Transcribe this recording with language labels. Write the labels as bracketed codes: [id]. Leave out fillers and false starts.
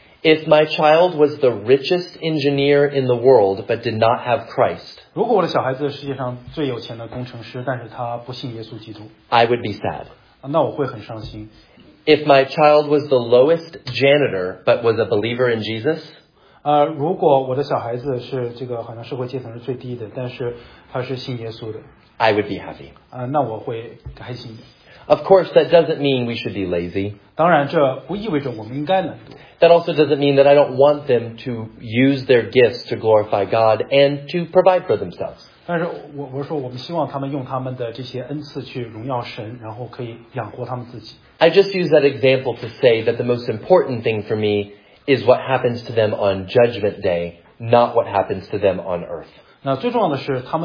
[en] if my child was the richest engineer in the world but did not have Christ, [zh] 如果我的小孩子是世界上最有钱的工程师，但是他不信耶稣基督, [en] I would be sad. [zh] 那我会很伤心。 [en] If my child was the lowest janitor but was a believer in Jesus, [zh] 如果我的小孩子是这个好像社会阶层是最低的，但是他是信耶稣的, [en] I would be happy. [zh] 那我会开心的。 [en] Of course, that doesn't mean we should be lazy. [zh] 当然，这不意味着我们应该懒惰。 [en] That also doesn't mean that I don't want them to use their gifts to glorify God and to provide for themselves. [zh] 但是我说我们希望他们用他们的这些恩赐去荣耀神，然后可以养活他们自己。 [en] I just use that example to say that the most important thing for me is what happens to them on Judgment Day, not what happens to them on earth.